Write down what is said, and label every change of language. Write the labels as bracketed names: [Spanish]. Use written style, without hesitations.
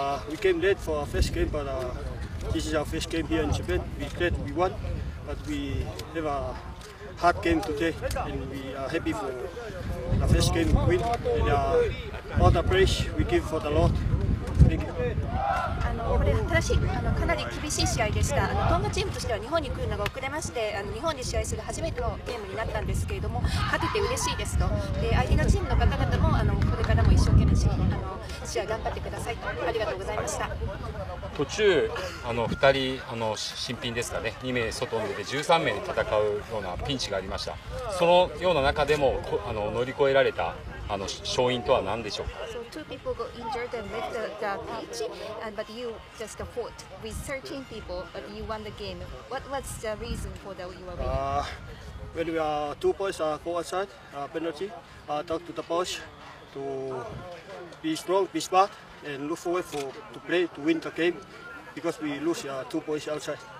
[English] We came late for our first game, but this is our first game here in Japan. We played, we won, but we have aHard game today, and we are happy for the first game win. And all the praise we give for the Lord. Thank you. [Japanese] これ新しいかなり厳しい試合でした。トンガチームとしては日本に来るのが遅れまして、日本で試合する初めてのゲームになったんですけれども、勝てて嬉しいですと。で、相手のチームの方々もこれからも一生懸命試合頑張ってくださいと。ありがとうございました。途中2人新品ですかね、2名外に出て13名で戦うようなピンチがありました。そのような中でも乗り越えられた勝因とは何でしょうか？ [English] Two people got injured and left the pitch, but you just fought with 13 people, but you won the game. What's the reason for that you are winning? When we are two boys are go outside, penalty, talk to the boss to be strong, be smart, and look forward for, to play, to win the game, because we lose two boys outside.